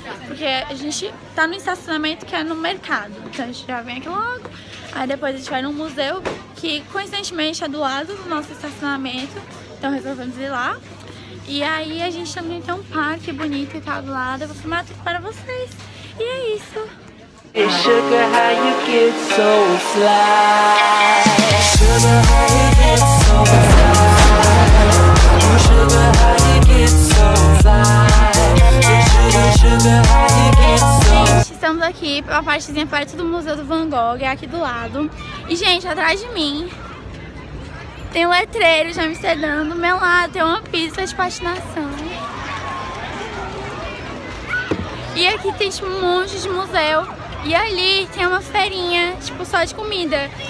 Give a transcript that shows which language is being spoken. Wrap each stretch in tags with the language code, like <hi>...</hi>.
<pt>Porque a gente tá no estacionamento que é no mercado. Então a gente já vem aqui logo. Aí depois a gente vai num museu que coincidentemente é do lado do nosso estacionamento. Então resolvemos ir lá. E aí a gente também tem um parque bonito e tal do lado. Eu vou filmar tudo para vocês. E é isso.</pt> <en>It's sugar how you get so fly. Sugar how you get so fly. Ooh, sugar how you get so fly. It's sugar, sugar how you get so fly.</en> <pt>Gente, estamos aqui pra uma partezinha perto do Museu do Van Gogh, aqui do lado. E, gente, atrás de mim tem um letreiro de Amsterdã, do meu lado tem uma pista de patinação. E aqui tem tipo, um monte de museu. E ali tem uma feirinha, tipo, só de comida.</pt>